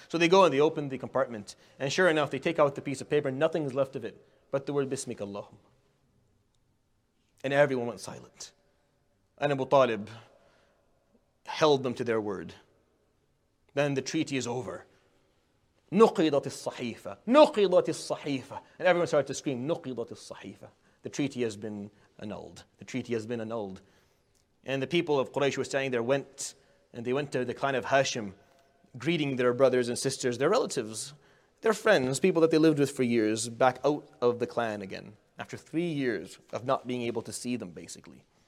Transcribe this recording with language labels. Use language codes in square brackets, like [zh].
[en] So they go and they open the compartment, and sure enough, they take out the piece of paper, nothing is left of it, but the word Bismika Allahum. And everyone went silent. And Abu Talib held them to their word. Then the treaty is over. [ar] نقضت الصحيفة نقضت الصحيفة. [en] And everyone started to scream, [ar] نقضت الصحيفة. [en] The treaty has been annulled. The treaty has been annulled. And the people of Quraysh were standing there, went, and they went to the clan of Hashim, greeting their brothers and sisters, their relatives, their friends, people that they lived with for years, back out of the clan again, after 3 years of not being able to see them, basically.